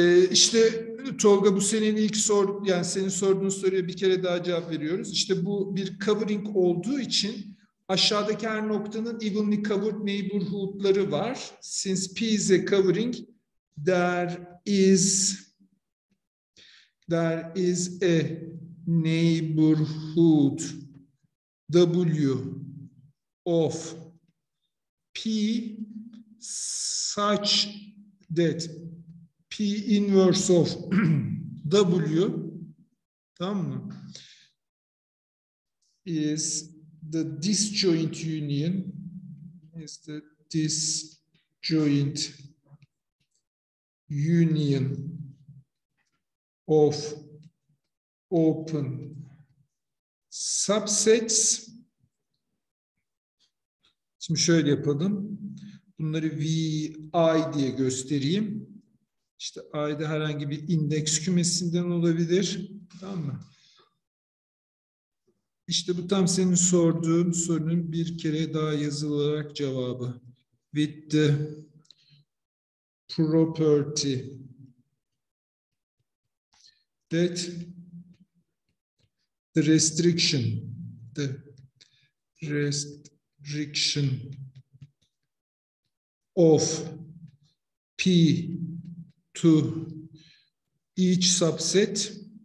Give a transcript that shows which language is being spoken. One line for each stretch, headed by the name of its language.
Turkish: İşte Tolga, bu senin ilk senin sorduğun soruya bir kere daha cevap veriyoruz. İşte bu bir covering olduğu için aşağıdaki her noktanın
English: evenly covered
Turkish: neighborhood'ları var.
English: Since P is a covering, there is a neighborhood W of P such that P inverse of W,
Turkish: tamam mı,
English: is the disjoint union, is the this joint union of open subsets.
Turkish: Şimdi şöyle yapalım. Bunları VI diye göstereyim. İşte I'de herhangi bir indeks kümesinden olabilir. Tamam mı? İşte bu tam senin sorduğun sorunun bir kere daha yazılı olarak cevabı.
English: With the property that the restriction of P to each subset